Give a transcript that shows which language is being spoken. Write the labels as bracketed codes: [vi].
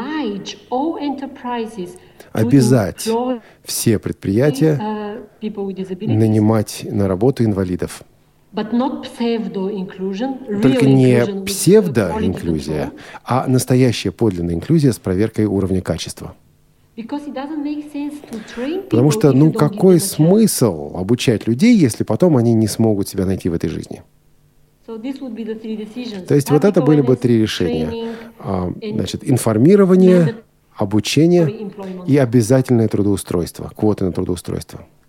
[ru] – обязать все предприятия нанимать на работу инвалидов. [en] But not pseudo-inclusion, real [ru] Только не [en] inclusion [ru] псевдо-инклюзия, а настоящая подлинная инклюзия с проверкой уровня качества. [en] Because it doesn't make sense to train people, [ru] Потому что, ну, какой смысл обучать людей, если потом они не смогут себя найти в этой жизни? [en] So this would be the three decisions. [ru] То есть вот это были бы три решения. Значит, информирование, обучение и обязательное трудоустройство, квоты на трудоустройство.